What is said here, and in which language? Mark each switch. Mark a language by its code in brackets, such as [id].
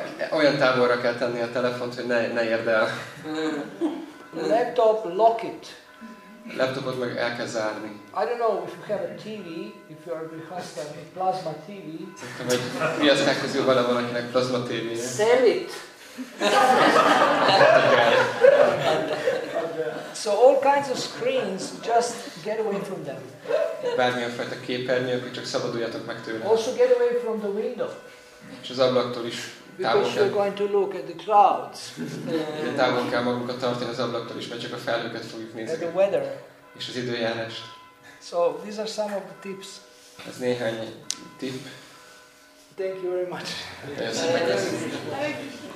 [hu] Olyan távolra kell tenni a telefont, hogy ne érd el. [en] Laptop, lock it. [hu] A laptopot meg el kell zárni. [en] I don't know if you have a TV, if you are rehearsed a plasma TV. [hu] Szerintem, hogy riaszták közül vele valakinek plasma TV-je. [en] Sell it! So all kinds of screens, just get away from them. [hu] Bármilyen fajta képernyő, akkor csak szabaduljatok meg tőle. [en] Also get away from the window. [hu] És az ablaktól is. [en] Because you're going to look at the clouds. [hu] Igen, távol kell magunkat tartani az ablaktól is, mert csak a felhőket fogjuk nézni. [en] At the weather. [hu] És az időjárást. [en] So, these are some of the tips. [hu] Ez néhány tip. [en] Thank you very much. [hu] Nagyon szépen köszönöm. [en] Thank you.